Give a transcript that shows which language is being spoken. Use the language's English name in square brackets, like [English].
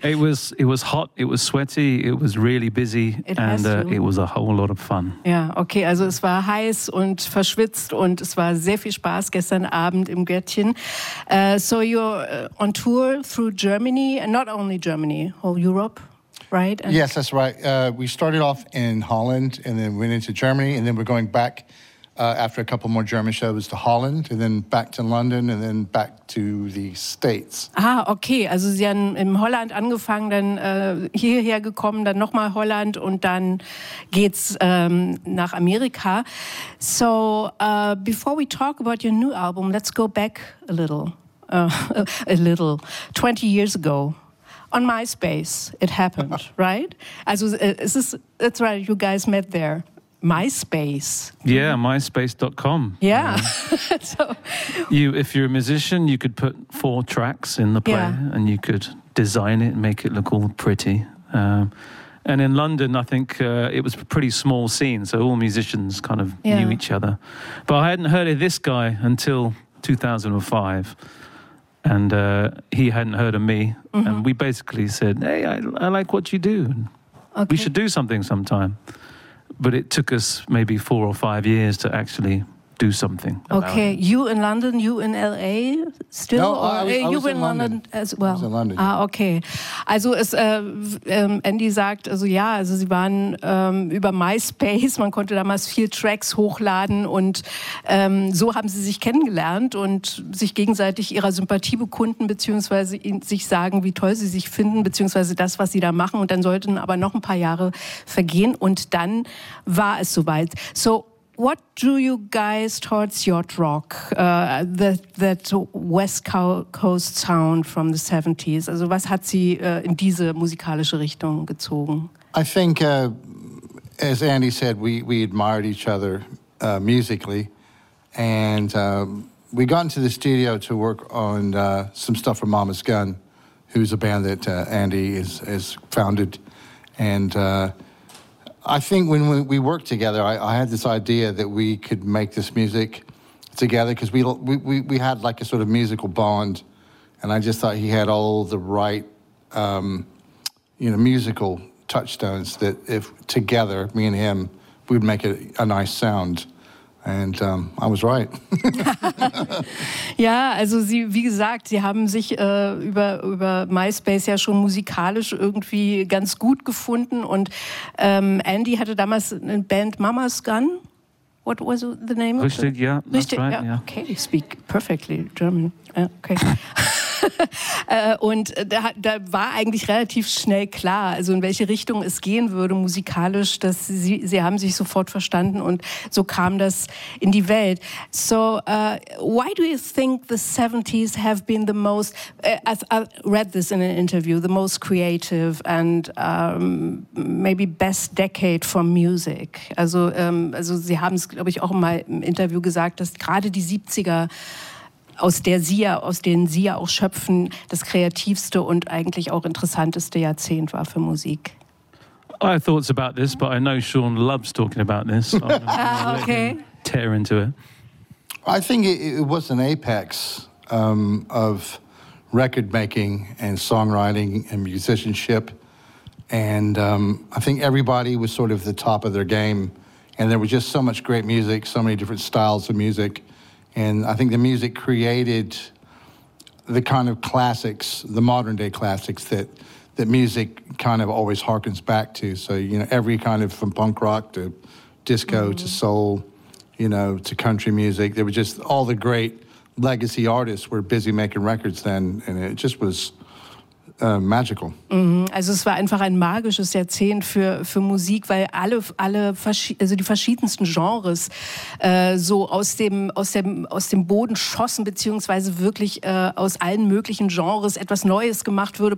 [English] It was hot, it was sweaty, it was really busy, it was a whole lot of fun. [German] Yeah, okay, also es war heiß und verschwitzt und es war sehr viel Spaß gestern Abend im Gretchen. [English] So you're on tour through Germany, and not only Germany, whole Europe, right? And yes, that's right. We started off in Holland and then went into Germany and then we're going back after a couple more German shows to Holland and then back to London and then back to the States. Ah, okay. [German] Also Sie haben in Holland angefangen, dann hierher gekommen, dann nochmal Holland und dann geht's nach Amerika. [English] So, before we talk about your new album, let's go back a little, 20 years ago. On MySpace, it happened, right? Also, that's right, you guys met there. MySpace. Yeah, MySpace.com. Yeah. If you're a musician, you could put 4 tracks in the play, yeah, and you could design it, make it look all pretty. And in London, I think it was a pretty small scene, so all musicians kind of knew each other. But I hadn't heard of this guy until 2005. And he hadn't heard of me. Mm-hmm. And we basically said, hey, I like what you do. Okay. We should do something sometime. But it took us maybe 4 or 5 years to actually do something. Okay, you in London, you in L.A. still? No, I was in London as well. I was in London. Ah, okay. [German] Also es, Andy sagt, also ja, also sie waren über MySpace, man konnte damals 4 Tracks hochladen und so haben sie sich kennengelernt und sich gegenseitig ihrer Sympathie bekunden, beziehungsweise sich sagen, wie toll sie sich finden, beziehungsweise das, was sie da machen. Und dann sollten aber noch ein paar Jahre vergehen und dann war es soweit. [English] So, what drew you guys towards yacht rock, that West Coast sound from the 70s? [German] Also, was hat sie in diese musikalische Richtung gezogen? [English] I think, as Andy said, we admired each other musically. And we got into the studio to work on some stuff for Mama's Gun, who's a band that Andy has founded. And I think when we worked together, I had this idea that we could make this music together because we had like a sort of musical bond, and I just thought he had all the right, musical touchstones that if together, me and him, we'd make a nice sound. And I was right. [German] Ja, also sie, wie gesagt, sie haben sich über MySpace ja schon musikalisch irgendwie ganz gut gefunden. Und Andy hatte damals eine Band Mama's Gun. [English] What was the name of it? [German] Richtig, ja. [English] That's [German] Richtig, [English] right, ja. Yeah. Okay, you speak perfectly German. Okay. [German] Und da war eigentlich relativ schnell klar, also in welche Richtung es gehen würde musikalisch, dass sie haben sich sofort verstanden und so kam das in die Welt. [English] So, why do you think the 70s have been the most, as I read this in an interview, the most creative and maybe best decade for music? [German] Also, sie haben es, glaube ich, auch mal im Interview gesagt, dass gerade die 70er, aus denen Sie ja auch schöpfen, das kreativste und eigentlich auch interessanteste Jahrzehnt war für Musik. [English] I have thoughts about this, but I know Sean loves talking about this. So okay. Tear into it. I think it was an apex of record making and songwriting and musicianship. And I think everybody was sort of at the top of their game. And there was just so much great music, so many different styles of music. And I think the music created the kind of classics, the modern day classics that music kind of always harkens back to. So, you know, every kind of from punk rock to disco mm-hmm. to soul, you know, to country music, there was just all the great legacy artists were busy making records then. And it just was magical. Mm-hmm. [German] Also es war einfach ein magisches Jahrzehnt für Musik, weil alle also die verschiedensten Genres so aus dem Boden schossen, beziehungsweise wirklich aus allen möglichen Genres etwas Neues gemacht wurde.